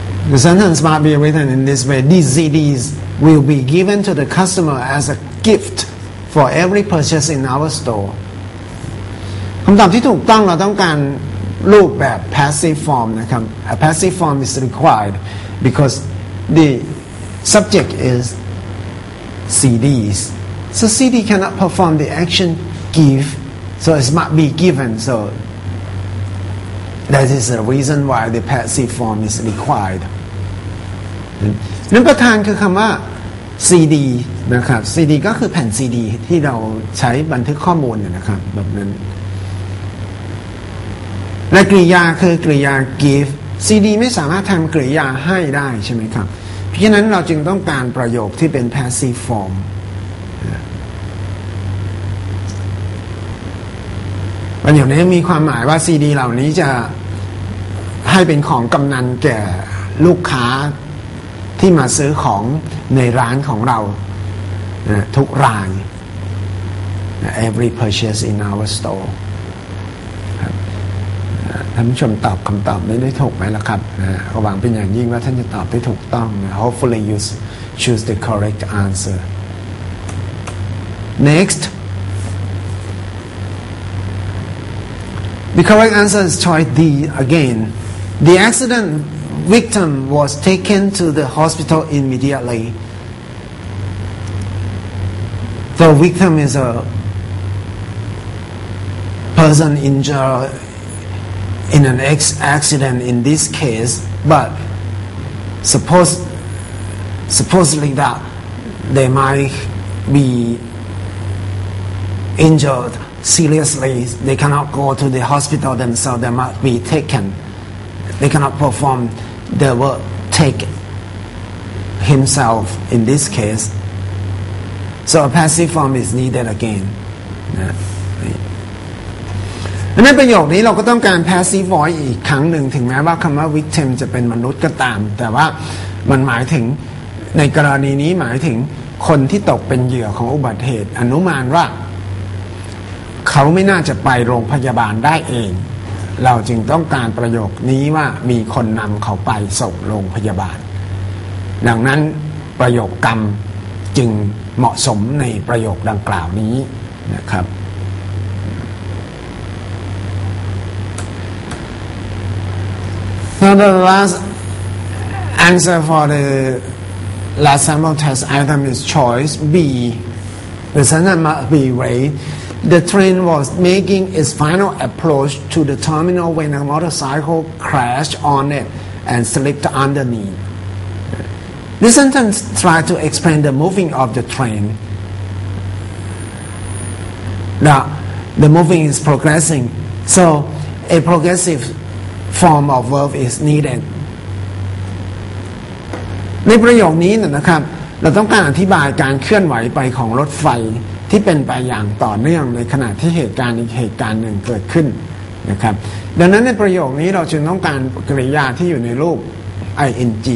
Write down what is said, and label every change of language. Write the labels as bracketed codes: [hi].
[en] The sentence might be written in this way. These CDs will be given to the customer as a gift for every purchase in our store. [th] คำตอบที่ถูกต้องเราต้องการรูปแบบ passive form นะครับ [en] A passive form is required because the subject is CDs. So CD cannot perform the action give, so it must be given. So that is the reason why the passive form is required. [th] นั้นประธานคือคำว่า CD นะครับ CD ก็คือแผ่น CD ที่เราใช้บันทึกข้อมูลนะครับแบบนั้นและกริยาคือกริยา give CD ไม่สามารถทำกริยาให้ได้ใช่ไหมครับ พราะฉะนั้นเราจึงต้องการประโยคที่เป็น passive form ประโยคนี้มีความหมายว่า CD เหล่านี้จะให้เป็นของกำนันแก่ลูกค้าที่มาซื้อของในร้านของเราทุกร้าน [en] every purchase in our store [th] ท่านผู้ชมตอบคำตอบได้ถูกไหมล่ะครับก็หวังเป็นอย่างยิ่งว่าท่านจะตอบได้ถูกต้อง [en] hopefully you choose the correct answer nextThe correct answer is choice D again. The accident victim was taken to the hospital immediately. The victim is a person injured in an accident in this case, but supposedly that they might be injured. Seriously, they cannot go to the hospital themselves. They must be taken. They cannot perform the work take himself in this case. So a passive form is needed again. [th] And ในประโยคนี้เราก็ต้องการ passive voice อีกครั้งหนึ่งถึงแม้ว่าคำว่า victim จะเป็นมนุษย์ก็ตามแต่ว่ามันหมายถึงในกรณีนี้หมายถึงคนที่ตกเป็นเหยื่อของอุบัติเหตุอนุมานว่า เขาไม่น่าจะไปโรงพยาบาลได้เองเราจึงต้องการประโยคนี้ว่ามีคนนำเขาไปส่งโรงพยาบาล ดังนั้นประโยคกรรมจึงเหมาะสมในประโยคดังกล่าวนี้นะครับ [en] Now the last answer for the last sample test item is choice B the sentence must be readThe train was making its final approach to the terminal when a motorcycle crashed on it and slipped underneath. This sentence tried to explain the moving of the train. Now, the moving is progressing, so a progressive form of verb is needed. [th] ในประโยคนี้นะครับเราต้องการอธิบายการเคลื่อนไหวไปของรถไฟที่เป็นไปอย่างต่อเนื่องในขณะที่เหตุการณ์อีกเหตุการณ์หนึ่งเกิดขึ้นนะครับดังนั้นในประโยคนี้เราจึงต้องการกริยาที่อยู่ในรูป ing